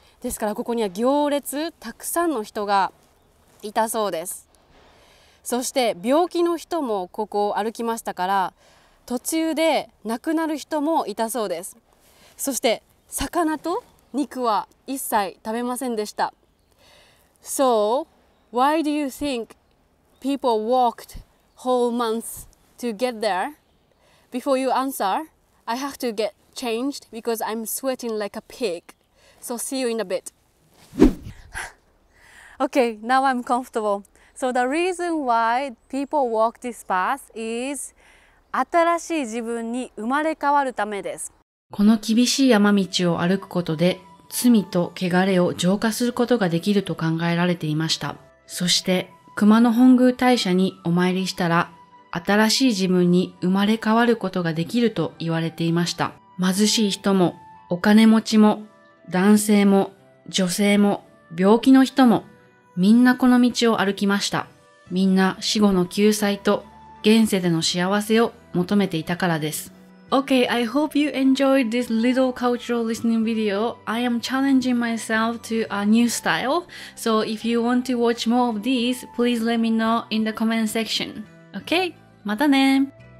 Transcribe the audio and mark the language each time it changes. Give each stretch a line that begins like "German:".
Japanese: ですからここには行列、たくさんの人がいたそうです。そして病気の人もここを歩きましたから、途中で亡くなる人もいたそうです。そして魚と肉は一切食べませんでした。
English: So, why do you think people walked whole months to get there? Before you answer, I have to get changed because I'm sweating like a pig. So, see you in a bit. Okay, now I'm comfortable. So, the reason why people walk this path is...
Japanese: 新しい自分に生まれ変わるためです。この厳しい山道を歩くことで、罪と汚れを浄化することができると考えられていました。そして、熊野本宮大社にお参りしたら、新しい自分に生まれ変わることができると言われていました。貧しい人も、お金持ちも、男性も、女性も、病気の人も、みんなこの道を歩きました。みんな死後の救済と、現世での幸せを求めていたからです。
English: Okay, I hope you enjoyed this little cultural listening video. I am challenging myself to a new style. So if you want to watch more of these, please let me know in the comment section. Okay, またね!